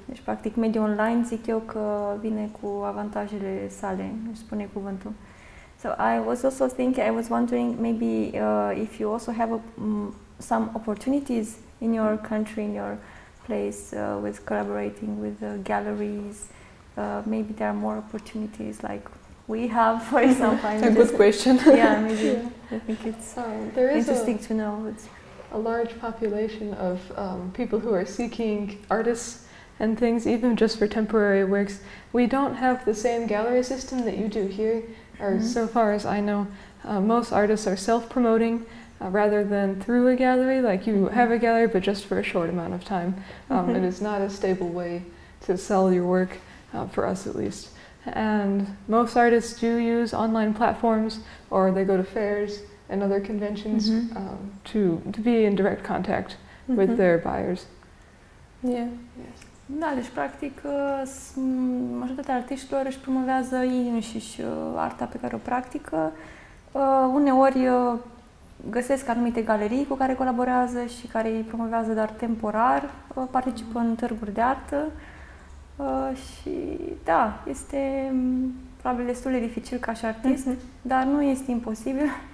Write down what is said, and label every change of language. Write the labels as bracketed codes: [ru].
[ro] Deci, practic, mediul online, zic eu că vine cu avantajele sale, își spune cuvântul. [en] So, I was wondering maybe if you also have some opportunities in your country, in your place, with collaborating with galleries. Maybe there are more opportunities like we have, for example. A good question. Yeah, maybe. I think it's there is interesting to know. It's a large population of people who are seeking artists and things, even just for temporary works. We don't have the same gallery system that you do here, or so far as I know. Most artists are self-promoting, rather than through a gallery, like you have a gallery, but just for a short amount of time. It is not a stable way to sell your work, for us at least. And most artists do use online platforms, or they go to fairs and other conventions to be in direct contact with their buyers. Yeah. Yes. [ro] Da, deci, practic, majoritatea artiștilor își promovează ei înșiși arta pe care o practică. Uneori găsesc anumite galerii cu care colaborează și care îi promovează doar temporar, participă în târguri de artă și da, este probabil destul de dificil ca și artist, dar nu este imposibil.